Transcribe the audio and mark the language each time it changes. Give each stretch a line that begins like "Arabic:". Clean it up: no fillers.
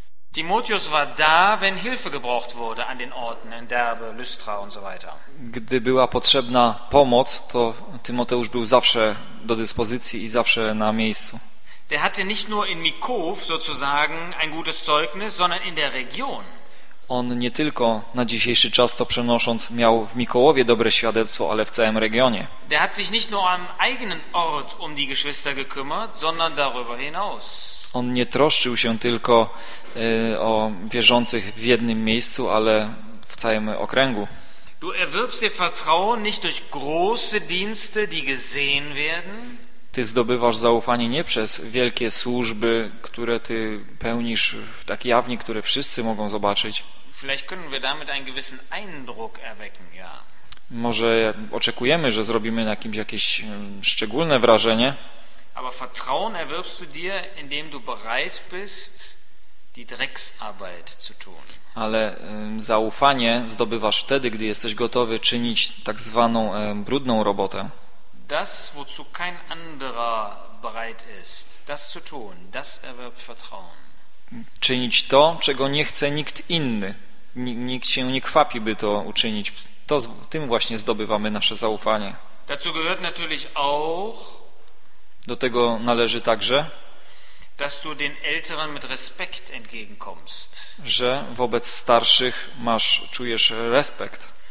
German: Timotheus war da, wenn Hilfe gebraucht wurde an den Orten in Derbe, Lystra und so weiter.
Polish: Gdy była potrzebna pomoc, to Tymoteusz był zawsze do dyspozycji i zawsze na miejscu.
German: Der hatte nicht nur in Mikow sozusagen ein gutes Zeugnis, sondern in der Region.
Polish: On nie tylko na dzisiejszy czas to przenosząc miał w Mikołowie dobre świadectwo, ale w całym regionie.
German: Der hat sich nicht nur am eigenen Ort um die Geschwister gekümmert, sondern darüber hinaus.
Polish: On nie troszczył się tylko o wierzących w jednym miejscu, ale w całym okręgu.
German: Du erwirbst dir Vertrauen nicht durch große Dienste, die gesehen werden.
Polish: Ty zdobywasz zaufanie nie przez wielkie służby, które ty pełnisz tak jawnie, które wszyscy mogą zobaczyć.
German: Vielleicht können wir damit einen gewissen Eindruck erwecken, ja.
Polish: Może oczekujemy, że zrobimy na kimś jakieś szczególne wrażenie.
German: Aber Vertrauen erwirbst du dir, indem du bereit bist, die Drecksarbeit zu tun.
Polish: Ale zaufanie zdobywasz wtedy, gdy jesteś gotowy czynić tak zwaną brudną robotę.
German: Das, wozu kein anderer bereit ist, das zu tun, das erwirbt Vertrauen.
Polish: Czynić to, czego nie chce nikt inny. Nikt się nie kwapi, by to uczynić. To tym właśnie zdobywamy nasze zaufanie.
German: Dazu gehört natürlich auch.
Polish: Do tego należy także,
German: dass du den älteren mit Respekt entgegenkommst.
Polish: Że wobec starszych czujesz respekt.